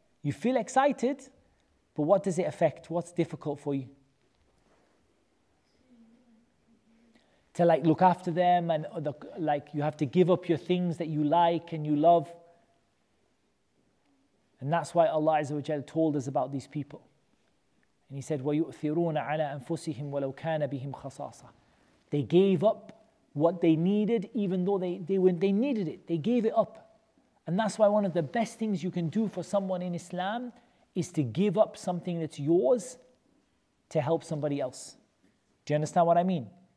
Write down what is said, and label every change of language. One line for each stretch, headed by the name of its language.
English: You feel excited? But what does it affect? What's difficult for you? To like look after them and like you have to give up your things that you like and you love. And that's why Allah Azza wa Jalla told us about these people. And he said,
Arabic: وَيُؤْثِرُونَ عَلَىٰ أَنفُسِهِمْ وَلَوْ كَانَ بِهِمْ خَصَاصًا.
English: They gave up what they needed even though they needed it. They gave it up. And that's why one of the best things you can do for someone in Islam is to give up something that's yours to help somebody else. Do you understand what I mean?